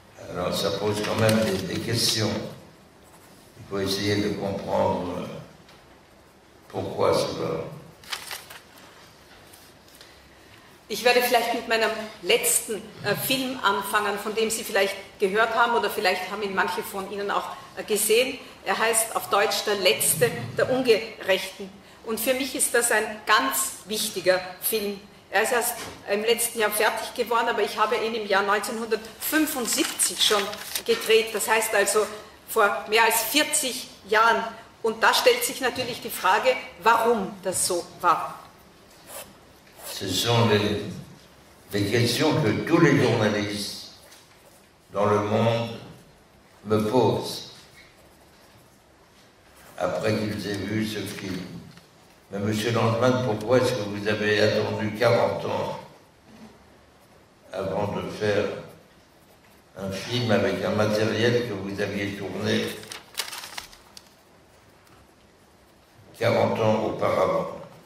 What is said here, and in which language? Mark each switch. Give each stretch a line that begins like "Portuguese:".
French: Alors ça pose quand même des questions. Il faut essayer de comprendre pourquoi cela.
German: Ich werde vielleicht mit meinem letzten Film anfangen, von dem Sie vielleicht gehört haben oder vielleicht haben ihn manche von Ihnen auch gesehen. Er heißt auf Deutsch Der letzte der Ungerechten. Und für mich ist das ein ganz wichtiger Film. Er ist erst im letzten Jahr fertig geworden, aber ich habe ihn im Jahr 1975 schon gedreht. Das heißt also vor mehr als 40 Jahren. Und da stellt sich natürlich die Frage, warum das so war.
French: Ce sont les questions que tous les journalistes dans le monde me posent après qu'ils aient vu ce film. Mais Monsieur Landman, pourquoi est-ce que vous avez attendu 40 ans avant de faire un film avec un matériel que vous aviez tourné 40 ans auparavant ?